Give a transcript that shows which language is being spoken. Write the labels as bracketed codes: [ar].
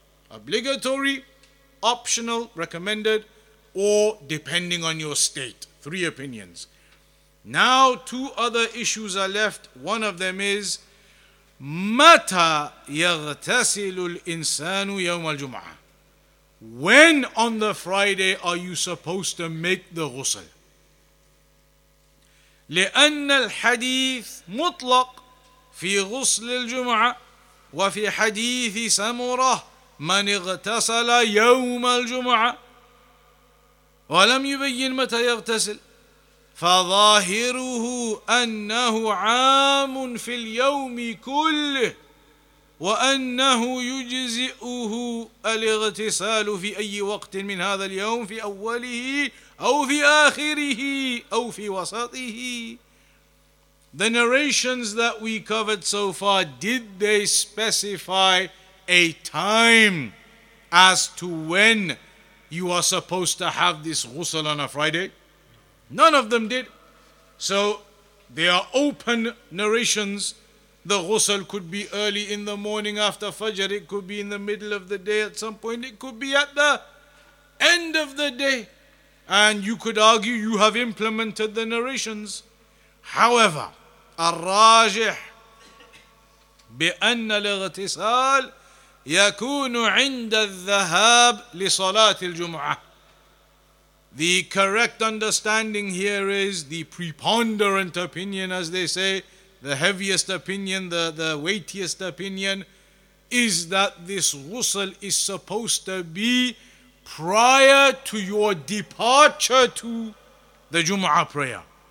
[en] Obligatory, optional, recommended, or depending on your state. Three opinions. Now, two other issues are left. One of them is, [ar] Mata yaghtasilu al-insanu yawm al-jum'ah. [en] When on the Friday are you supposed to make the ghusl? [ar] لأن الحديث مطلق في غسل الجمعة وفي حديث سمرة من اغتسل يوم الجمعة ولم يبين متى يغتسل فظاهره أنه عام في اليوم كله وأنه يجزئه الاغتسال في أي وقت من هذا اليوم في أوله أو في آخره أو في وسطه. [en] The narrations that we covered so far, did they specify a time as to when you are supposed to have this ghusl on a Friday? None of them did. So they are open narrations. The ghusl could be early in the morning after Fajr. It could be in the middle of the day at some point. It could be at the end of the day. And you could argue you have implemented the narrations. However, [ar] الراجح بأن الاغتسال يكون عند الذهاب لصلاة الجمعة. [en] The correct understanding here is the preponderant opinion, as they say, the heaviest opinion, the weightiest opinion, is that this ghusl is supposed to be prior to your departure to the Jum'ah prayer.